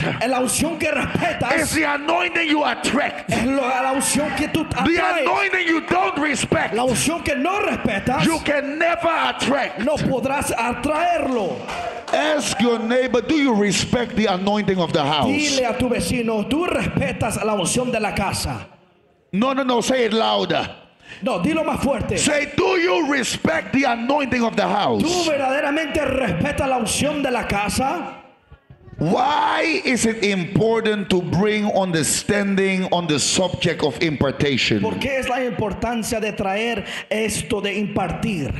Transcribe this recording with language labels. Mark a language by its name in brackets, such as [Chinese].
[Spanish] la unción que respetas, [English] is the anointing you attract. [Spanish] La unción que tú atraes. [English] The anointing you don't respect, [Spanish] la unción que no respetas, [English] you can never attract. [Spanish] No podrás atraerlo. [English] Ask your neighbor, do you respect the anointing of the house? [Spanish] Dile a tu vecino, ¿tú respetas la unción de la casa? [English] No, say it louder. [Spanish] No, dilo más fuerte. [English] Say, do you respect the anointing of the house? [Spanish] ¿Tú verdaderamente respetas la unción de la casa? [English] Why is it important to bring understanding on the subject of impartation? [Spanish] ¿Por qué es la importancia de traer esto de impartir?